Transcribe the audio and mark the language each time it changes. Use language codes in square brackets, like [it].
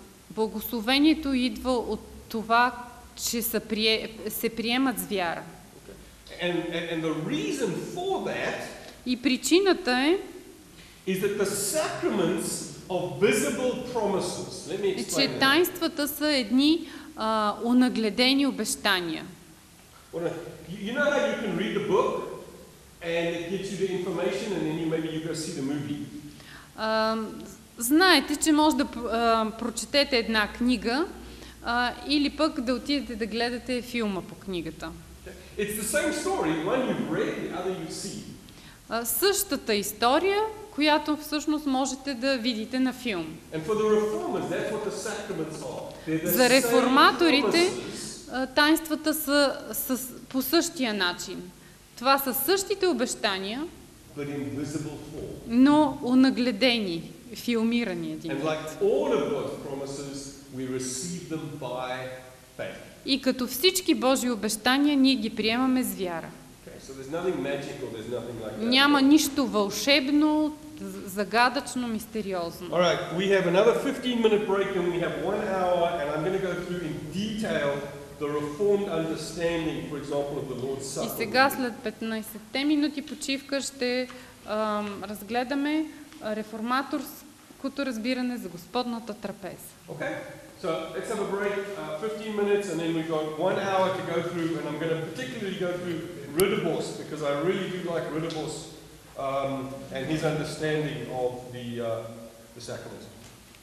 [bg] благословението идва от това, че се приемат с вяра. [en] And the reason for that, [bg] и причината е, [en] is that the sacraments are visible promises. Let me explain. [bg] Че таинствата са едни онагледени обещания. [en] You know how you can read the book and it gets you the information and then maybe you go see the movie. [bg] Знаете, че може да прочетете една книга, или пък да отидете да гледате филма по книгата. [en] It's the same story. One you've read, the other you've seen. [bg] Същата история, която всъщност можете да видите на филм. [en] And for the reformers, that's what the sacraments are. [bg] За реформаторите таинствата са по същия начин. Това са същите обещания, [en] but in visible form. [bg] Но онагледени, филмирани един. [en] And like all of God's promises, we receive them by faith. [bg] И като всички Божи обещания, ние ги приемаме с вяра. [en] Okay, so there's nothing magical, there's nothing like that. [bg] Няма нищо вълшебно, загадъчно, мистериозно. [en] All right, we have another 15-minute break and we have 1 hour and I'm going to go through in detail the reformed understanding, for example, of the Lord's Supper. [bg] И сега след 15-те минути почивка ще разгледаме реформаторското разбиране за Господната трапеза. [en] Okay. So, let's have a break 15 minutes and then we've got 1 hour to go through and I'm going to particularly go through Ridderbos because I really do like Ridderbos and his understanding of the sacraments.